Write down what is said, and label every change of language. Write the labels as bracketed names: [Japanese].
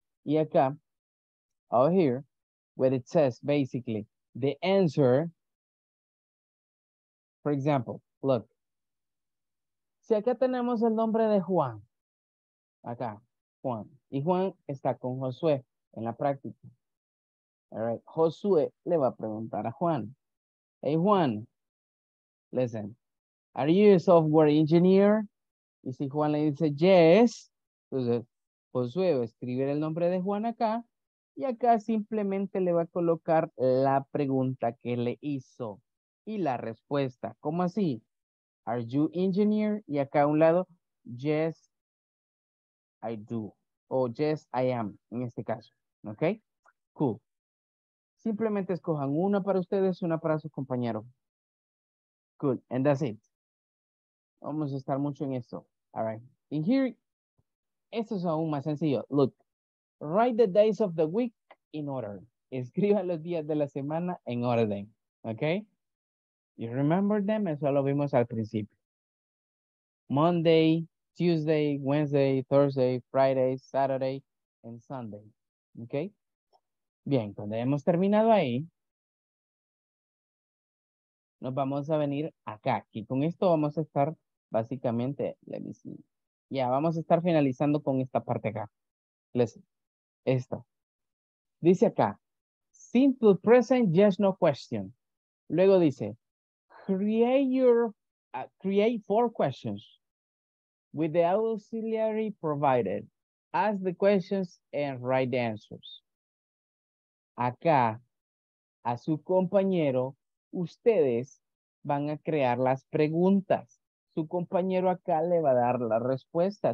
[Spanish] Y acá, [English] over here, where it says basically the answer. For example, look. [Spanish] Si acá tenemos el nombre de Juan, acá, Juan, y Juan está con Josué en la práctica. [English] All right, [Spanish] Josué le va a preguntar a Juan. [English] Hey, Juan, listen, are you a software engineer? [Spanish] Y si Juan le dice yes, entonces Josué va a escribir el nombre de Juan acá, y acá simplemente le va a colocar la pregunta que le hizo y la respuesta. ¿Cómo así? [English] Are you engineer? [Spanish] Y acá a un lado, [English] yes, I do. [Spanish] O [English] yes, I am, [Spanish] en este caso. ¿Ok? Cool. Simplemente escojan una para ustedes, una para su compañero. [English] Cool. And that's it. [Spanish] Vamos a estar mucho en esto. [English] All right. In here, [Spanish] esto es aún más sencillo. [English] Look, write the days of the week in order. [Spanish] Escriban los días de la semana en orden. ¿Ok? [English] You remember them? [Spanish] Eso lo vimos al principio. [English] Monday, Tuesday, Wednesday, Thursday, Friday, Saturday, and Sunday. Okay? [Spanish] Bien, cuando hemos terminado ahí, nos vamos a venir acá. Y con esto vamos a estar básicamente, [English] let me see. [Spanish] Ya, vamos a estar finalizando con esta parte acá. Listen. Esto. Dice acá, [English] simple present, yes, no question. [Spanish] Luego dice, [English] create four questions with the auxiliary provided. Ask the questions and write the answers. [Spanish] Acá, a su compañero, ustedes van a crear las preguntas. Su compañero acá le va a dar la respuesta.